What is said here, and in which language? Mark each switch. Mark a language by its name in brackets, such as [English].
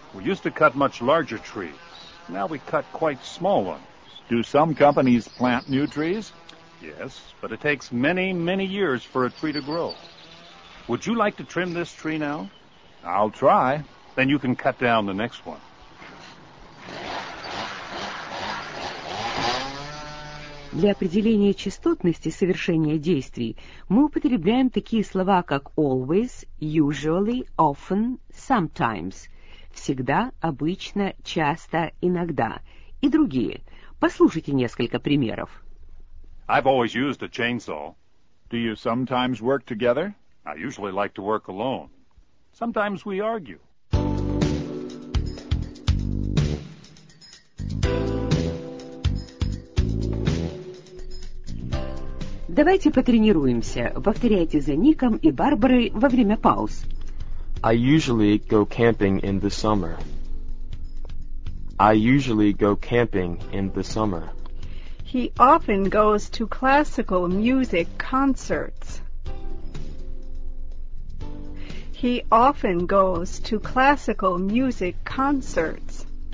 [English] We used to cut much larger trees. Now we cut quite small ones. Do some companies plant new trees? Yes, but it takes many, many years for a tree to grow. Would you like to trim this tree now? I'll try. Then you can cut down the next one. [Russian] Для определения частотности совершения действий мы употребляем такие слова, как [English] always, usually, often, sometimes, [Russian] всегда, обычно, часто, иногда, и другие. Послушайте несколько примеров. [English] I've always used a chainsaw. Do you sometimes work together? I usually like to work alone. Sometimes we argue. [Russian] Давайте потренируемся. Повторяйте за Ником и Барбарой во время пауз. [English] I usually go camping in the summer. I usually go camping in the summer. He often goes to classical music concerts. He often goes to classical music concerts.